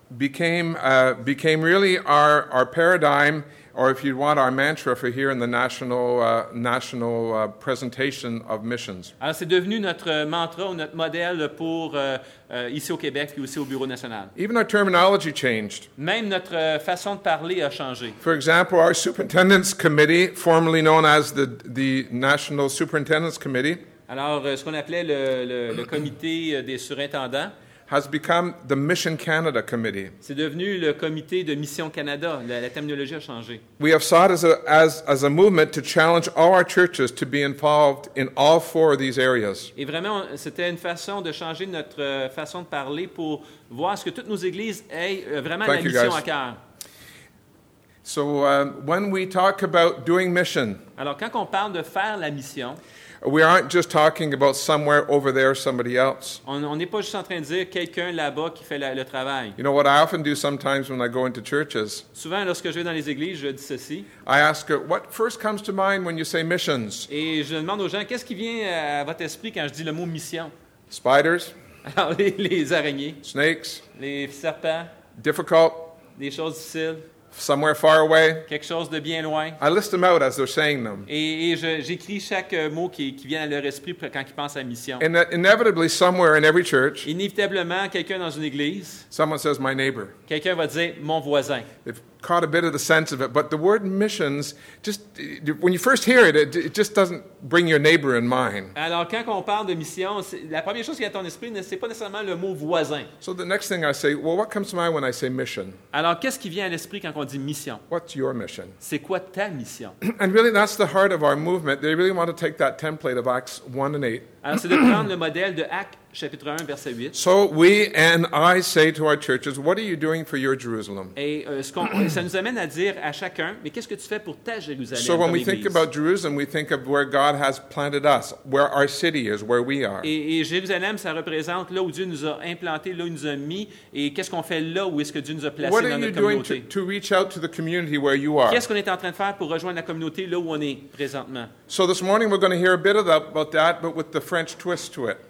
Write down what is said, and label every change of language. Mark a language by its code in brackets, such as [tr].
[en] Became really our paradigm, or if you want, our mantra for here in the national presentation of missions. [fr] Alors, c'est devenu notre mantra ou notre modèle pour ici au Québec puis aussi au bureau national. [en] Even our terminology changed. [fr] Même notre façon de parler a changé. [en] For example, our superintendent's committee, formerly known as the National Superintendent's Committee. [fr] Alors, ce qu'on appelait le comité des surintendants. [en] Has become the Mission Canada Committee. [fr] C'est devenu le comité de Mission Canada. La terminologie a changé. [en] We have sought as a movement to challenge all our churches to be involved in all four of these areas. [fr] Et vraiment, c'était une façon de changer notre façon de parler pour voir ce que toutes nos églises aient vraiment [en] Thank [fr] la mission à cœur. [en] So when we talk about doing mission. [fr] Alors quand on parle de faire la mission. [en] We aren't just talking about somewhere over there, somebody else. [fr] On n'est pas juste en train de dire quelqu'un là-bas qui fait le travail. [en] You know what I often do sometimes when I go into churches? [fr] Souvent, lorsque je vais dans les églises, je dis ceci. [en] I ask, what first comes to mind when you say missions? [fr] Et je demande aux gens, qu'est-ce qui vient à votre esprit quand je dis le mot mission? [en] Spiders. [fr] Alors, les araignées. [en] Snakes. [fr] Les serpents. [en] Difficult. [fr] Des choses difficiles. [en] Somewhere far away. [fr] Quelque chose de bien loin. [en] I list them out as they're saying them. [fr] Et j'écris chaque mot qui vient à leur esprit quand ils pensent à mission. [en] And inevitably, somewhere in every church. [fr] Inévitablement, quelqu'un dans une église. [en] Someone says, "My neighbor." [fr] Quelqu'un va dire, mon voisin. [en] They've caught a bit of the sense of it, but the word missions, just when you first hear it, it just doesn't bring your neighbor in mind. [fr] Alors quand on parle de mission, la première chose qui vient à ton esprit, c'est pas nécessairement le mot voisin. [en] So the next thing I say, well, what comes to mind when I say mission? [fr] Alors qu'est-ce qui vient à l'esprit quand on dit mission? [en] What's your mission? [fr] C'est quoi ta mission? [en] And really, that's the heart of our movement. They really want to take that template of Acts 1 and 8. [fr] Alors c'est de prendre le modèle de Acts. Chapitre 1, verset 8. [en] So we and I say to our churches, what are you doing for your Jerusalem? [fr] Et ça nous amène à dire à chacun, mais qu'est-ce que tu fais pour ta Jérusalem? [en] So when we think about Jerusalem, we think of where God has planted us, where our city is, where we are. [fr] Et Jérusalem, ça représente là où Dieu nous a implanté, là où nous a mis, et qu'est-ce qu'on fait là où est-ce que Dieu nous a placé dans notre communauté? [en] What are you doing to reach out to the community where you are? [fr] Qu'est-ce qu'on est en train de faire pour rejoindre la communauté là où on est présentement? [en] So this morning we're going to hear a bit about that, but with the French twist to it.